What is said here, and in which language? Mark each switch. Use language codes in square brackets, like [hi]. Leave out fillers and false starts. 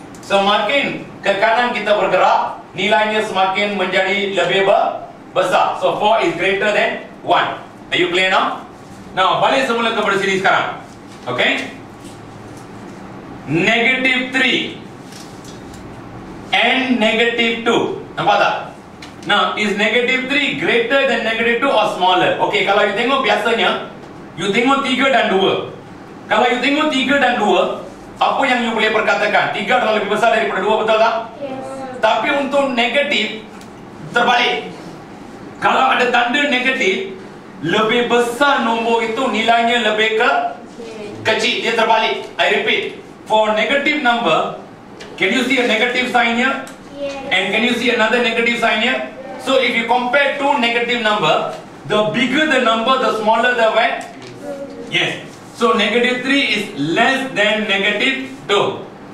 [ms] Semakin ke kanan kita bergerak, nilainya semakin menjadi lebih besar. [en] So, four is greater than one. Are you clear now? Now, [ms] balik semula kepada sini sekarang. [en] Okay? Negative 3 and negative 2. [ms] Nampak tak? [en] Now, is negative 3 greater than negative 2 or smaller? [ms] Okay, kalau you tengok biasanya, you tengok 3 dan 2. Kalau you tengok 3 dan 2, apa yang you boleh perkatakan? 3 adalah lebih besar daripada 2, betul tak? [en] Yes. [ms] Tapi untuk negatif, terbalik. Kalau ada tanda negatif, lebih besar nombor itu nilainya lebih kecil. Dia terbalik. [en] I repeat. For negative number, can you see a negative sign here? Yes. And can you see another negative sign here? Yes. So if you compare two negative number, the bigger the number, the smaller the what? Yes. So negative 3 is less than negative 2.